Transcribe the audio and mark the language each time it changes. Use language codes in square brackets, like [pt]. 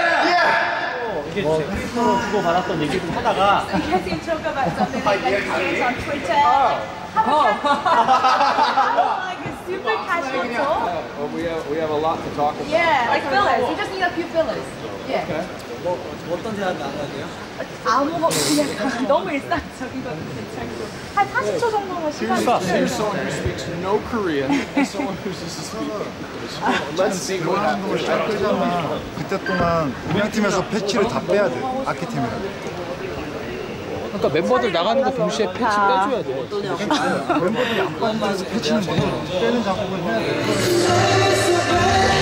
[ko] 주고받았던 얘기 좀 하다가. [en] So you guys can talk about something that you guys see on Twitter. Have a super casual talk. Well, we have a lot to talk about. Yeah, like fillers. We just need a few fillers. Yeah. Okay. [ko] 어떤 대화도 안 하세요? 아무거 그냥 너무 일상적인 것 같아요. 한 40초 정도만 시간 주세요. [en] Here's someone who speaks no Korean and someone who's just speaking English. Let's see what happens. [ko] 그때 동안 공연팀에서 패치를 다 빼야 돼, 악기팀이라. 그러니까 멤버들 나가는 거 동시에 패치 빼줘야 돼. 멤버들이 안 빠져서 패치는 먼저 빼는 작업을 해야 돼.